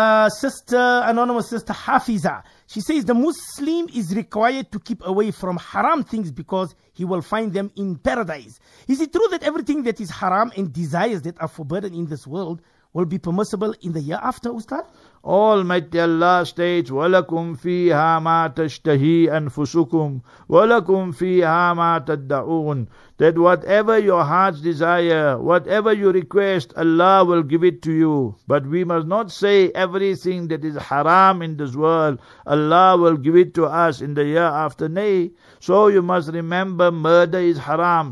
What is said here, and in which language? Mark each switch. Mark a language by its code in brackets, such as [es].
[en] Sister, anonymous sister Hafiza, she says the Muslim is required to keep away from haram things because he will find them in paradise. Is it true that everything that is haram and desires that are forbidden in this world will be permissible in the year after, Ustaz? Almighty Allah states, [ar] وَلَكُمْ فِيهَا مَا تَشْتَهِي أَنفُسُكُمْ وَلَكُمْ فِيهَا مَا تَدَّعُونَ. [en] That whatever your heart's desire, whatever you request, Allah will give it to you. But we must not say everything that is haram in this world, Allah will give it to us in the year after. Nay, so you must remember, murder is haram.